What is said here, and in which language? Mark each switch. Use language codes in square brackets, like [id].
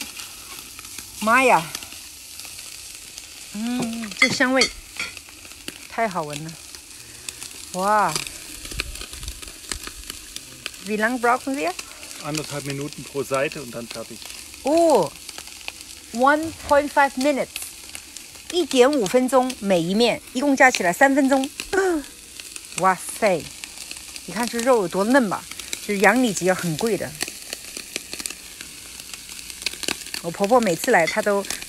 [zh] 哇，妈呀！嗯，这香味太好闻了！哇 ， [de] Wie lang brauchen wir? Anderthalb Minuten pro Seite und dann fertig. [en] Oh, 1.5 minutes， [zh] 1.5分钟每一面，一共加起来3分钟。哇塞，你看这肉有多嫩吧？这羊里脊很贵的。我婆婆每次来，她都。